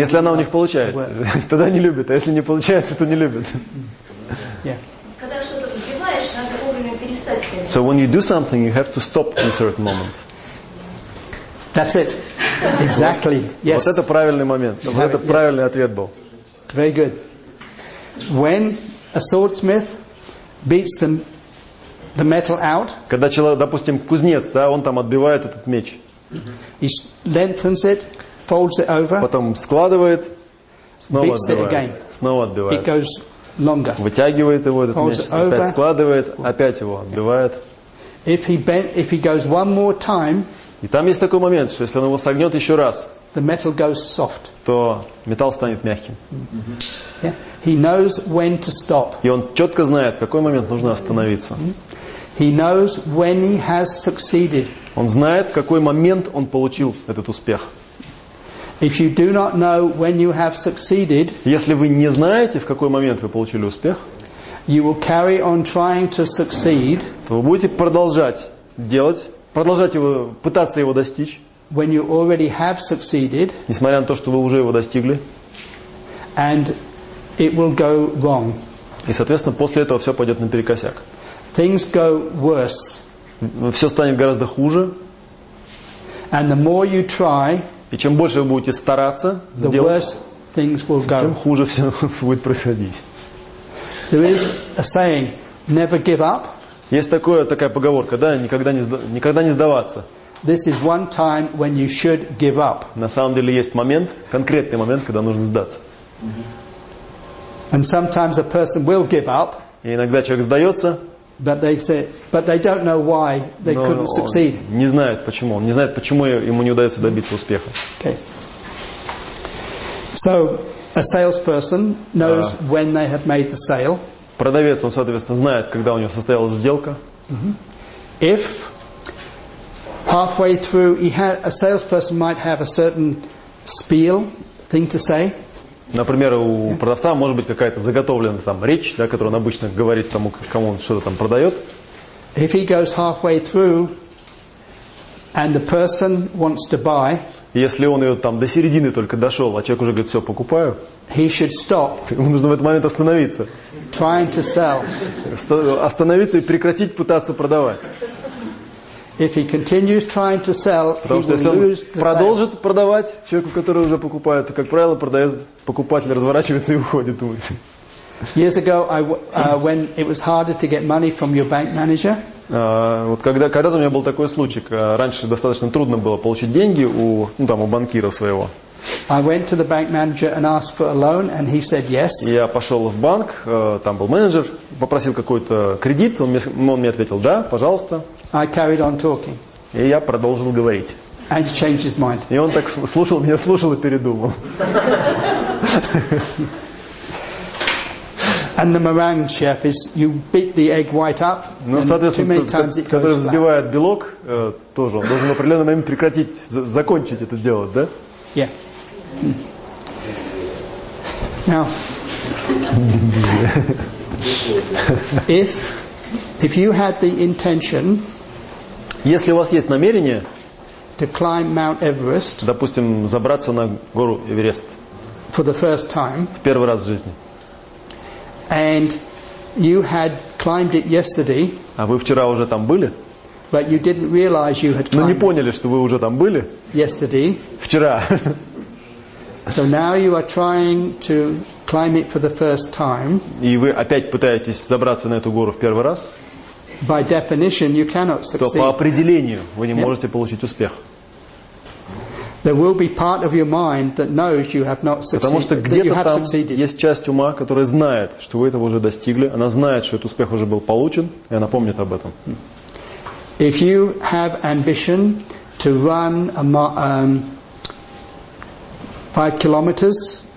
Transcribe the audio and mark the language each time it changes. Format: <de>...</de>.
<ru>Если она у них получается, тогда не любит. А если не получается, то не любит.</ru> <en>Yeah.</en> <ru>Когда что-то забиваешь, надо вовремя перестать.</ru> <en>So when you do something, you have to stop in a certain moment. That's it. Exactly. Yes.</en> <ru>Вот это правильный момент. Вот это правильный ответ был.</ru> <en>Very good. When a swordsmith beats the metal out.</en> <ru>Когда человек, допустим, кузнец, да, он там отбивает этот меч.</ru> <en>He lengthens it, folds it over.</en> <ru>Потом складывает, снова</ru> <en>beats</en> <ru>отбивает.</ru> <en>It again.</en> <ru>Снова отбивает.</ru> <en>It goes longer.</en> <ru>Вытягивает его этот</ru> <en>folds</en> <ru>меч, опять складывает, опять его отбивает.</ru> <en>If he goes one more time.</en> <ru>И там есть такой момент, что если он его согнет еще раз,</ru> <en>the metal goes soft.</en> <ru>То металл станет мягким.</ru> <en>Yeah. He knows when to stop.</en> <ru>И он четко знает, в какой момент нужно остановиться.</ru> <en>He knows when he has succeeded.</en> <ru>Он знает, в какой момент он получил этот успех.</ru> <en>If you do not know when you have succeeded,</en> <ru>если вы не знаете, в какой момент вы получили успех,</ru> <en>you will carry on trying to succeed,</en> <ru>то вы будете продолжать делать. Продолжать его, пытаться его достичь.</ru> <en>When you already have succeeded,</en> <ru>несмотря на то, что вы уже его достигли.</ru> <en>And it will go wrong.</en> <ru>И, соответственно, после этого все пойдет наперекосяк.</ru> <en>Things go worse.</en> <ru>Все станет гораздо хуже.</ru> <en>And the more you try,</en> <ru>и чем больше вы будете стараться,</ru> <en>the</en> <ru>сделать,</ru> <en>worse things will go.</en> <ru>Тем хуже все будет происходить.</ru> <en>There is a saying, never give up.</en> <ru>Есть такая поговорка, да, никогда не сдаваться.</ru> <en>This is one time when you should give up.</en> <ru>На самом деле есть момент, конкретный момент, когда нужно сдаться.</ru> <en>And sometimes a person will give up.</en> <ru>И иногда человек сдается.</ru> <en>But they don't know why they couldn't succeed.</en> <ru>Не знает почему. Он не знает, почему ему не удается добиться успеха.</ru> <en>Okay. So a salesperson knows when they have made the sale.</en> <ru>Продавец, он, соответственно, знает, когда у него состоялась сделка.</ru> <en>If halfway through a salesperson might have a certain spiel thing to say.</en> <ru>Например, у продавца может быть какая-то заготовленная там речь, да, которую он обычно говорит тому, кому он что-то там продает.</ru> <en>If he goes halfway through and the person wants to buy.</en> <ru>Если он ее там до середины только дошел, а человек уже говорит, все, покупаю.</ru> <en>He should stop.</en> <ru>Ему нужно в этот момент остановиться.</ru> <en>Trying to sell.</en> <ru>Остановиться и прекратить пытаться продавать.</ru> <en>If he continues trying to sell,</en> <ru>потому что если он продолжит продавать человеку, который уже покупает, то, как правило, продает покупатель, разворачивается и уходит.</ru> <en>Years ago, when it was harder to get money from your bank manager.</en> <ru>Вот когда-то у меня был такой случай, раньше достаточно трудно было получить деньги у банкира своего.</ru> <en>I went to the bank manager and asked for a loan, and he said yes.</en> <ru>Я пошел в банк, там был менеджер, попросил какой-то кредит, он мне ответил да, пожалуйста.</ru> <en>I carried on talking.</en> <ru>И я продолжил говорить.</ru> <en>And he changed his mind.</en> <ru>И он так слушал меня, слушал и передумал.</ru> <en>And the meringue chef is you beat the egg white up.</en> <ru>Ну, соответственно,</ru> <en>too many times it goes</en> <ru>который взбивает белок, тоже он должен в определенный момент прекратить, закончить это делать, да?</ru> <en>Yeah. Now, if you had the intention,</en> <ru>если у вас есть намерение,</ru> <en>to climb Mount Everest,</en> <ru>допустим, забраться на гору Эверест,</ru> <en>for the first time,</en> <ru>в первый раз в жизни,</ru> <en>and you had climbed it yesterday,</en> <ru>а вы вчера уже там были,</ru> <en>but you didn't realize you had climbed,</en> <ru>но не поняли, что вы уже там были,</ru> <en>yesterday,</en> <ru>вчера.</ru> <en>So now you are trying to climb it for the first time.</en> <ru>И вы опять пытаетесь забраться на эту гору в первый раз?</ru> <en>By definition, you cannot succeed.</en> <ru>То по определению вы не можете получить успех.</ru> <en>There will be part of your mind that knows you have not succeeded.</en> <ru>Потому что где-то там есть часть ума, которая знает, что вы этого уже достигли. Она знает, что этот успех уже был получен, и она помнит об этом.</ru> <en>If you have ambition to run a 5 kilometers.</en>